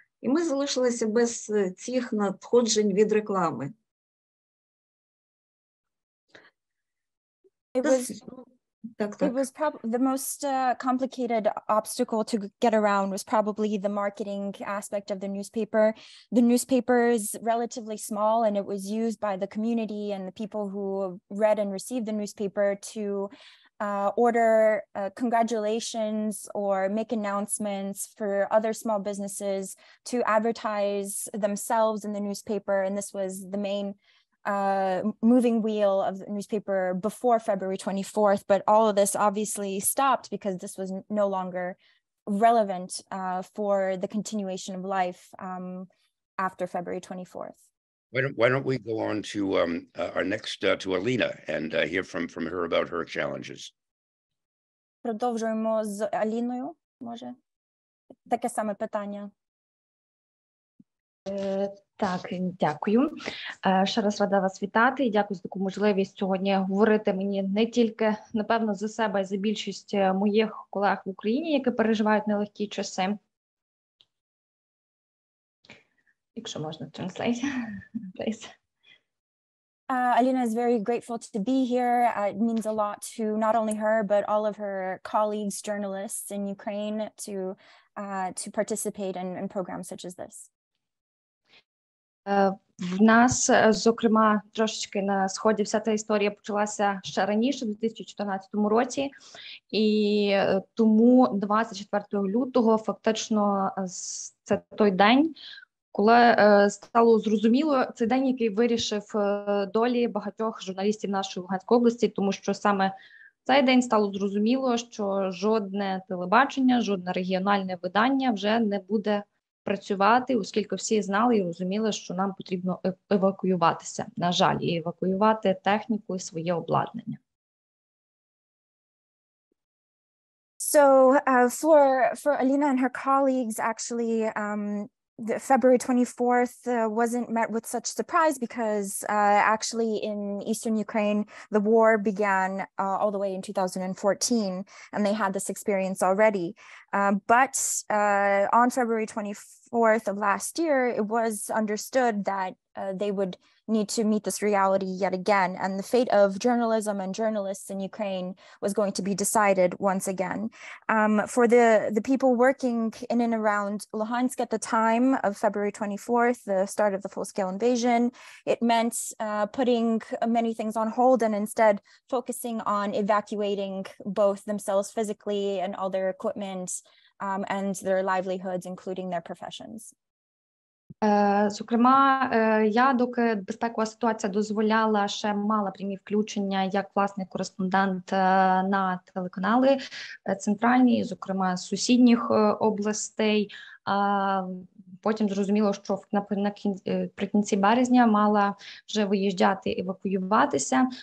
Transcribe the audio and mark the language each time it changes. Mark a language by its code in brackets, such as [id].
[uk] І ми залишилися без цих надходжень від реклами. [en] The most complicated obstacle to get around was probably the marketing aspect of the newspaper. The newspaper is relatively small, and it was used by the community and the people who read and received the newspaper to order congratulations or make announcements for other small businesses to advertise themselves in the newspaper. And this was the main moving wheel of the newspaper before February 24th, but all of this obviously stopped because this was no longer relevant for the continuation of life after February 24th. Why don't we go on to our next, to Alina, and hear from her about her challenges. [uk] Продовжуємо з Аліною, може? Таке саме питання. Так, дякую. Ще раз рада вас вітати і дякую за таку можливість сьогодні говорити мені не тільки, напевно, за себе, а й за більшість моїх колег в Україні, які переживають нелегкі часи. Якщо можна, [en] translate, please. Alina is very grateful to be here. It means a lot to not only her, but all of her colleagues, journalists in Ukraine to participate in programs such as this. [uk] В нас, зокрема, трошечки на Сході вся та історія почалася ще раніше, у 2014 році, і тому 24 лютого фактично це той день, коли стало зрозуміло, це день, який вирішив долі багатьох журналістів нашої Луганської області, тому що саме цей день стало зрозуміло, що жодне телебачення, жодне регіональне видання вже не буде працювати, оскільки всі знали і розуміли, що нам потрібно евакуюватися, на жаль, і евакуювати техніку і своє обладнання. [en] So, for Alina and her colleagues, actually, February 24th wasn't met with such surprise because actually in eastern Ukraine, the war began all the way in 2014, and they had this experience already. But on February 24th of last year, it was understood that they would need to meet this reality yet again, and the fate of journalism and journalists in Ukraine was going to be decided once again. For the people working in and around Luhansk at the time of February 24th, the start of the full-scale invasion, it meant putting many things on hold and instead focusing on evacuating both themselves physically and all their equipment and their livelihoods, including their professions. [uk] Зокрема, я, доки безпекова ситуація дозволяла, ще мала прямі включення як власний кореспондент на телеканали центральні, зокрема, сусідніх областей. Потім зрозуміло, що наприкінці березня мала вже виїжджати, евакуюватися.